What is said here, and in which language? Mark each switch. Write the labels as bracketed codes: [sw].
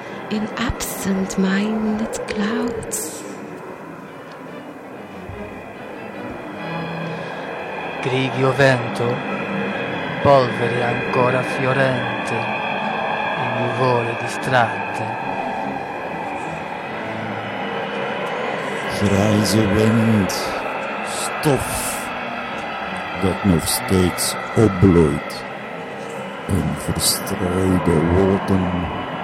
[en] In absent-minded clouds. [it] Grigio vento, polvere ancora fiorente, in nuvole distratte. [nl] Grijze wind, stof, dat nog steeds opbloeit, in verstrooide wolken.